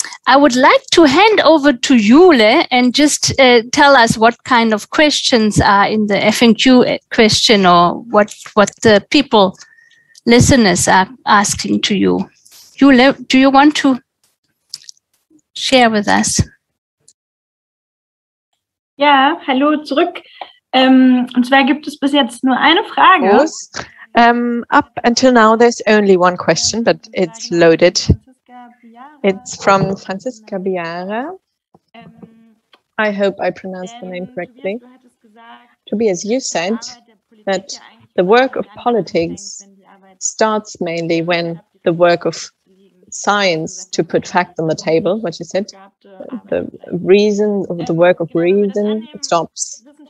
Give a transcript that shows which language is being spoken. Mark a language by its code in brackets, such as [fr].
[en] I would like to hand over to Jule and just tell us what kind of questions are in the FAQ question, or what the people, listeners, are asking to you. Jule, do you want to share with us? [de] Ja, hallo zurück. Und zwar gibt es bis jetzt nur eine Frage. [en] Yes. Up until now, there's only one question, but it's loaded. It's from Franziska Biara. I hope I pronounced the name correctly. Tobias, you said that the work of politics starts mainly when the work of science to put facts on the table, what you said, the reason, the work of reason stops.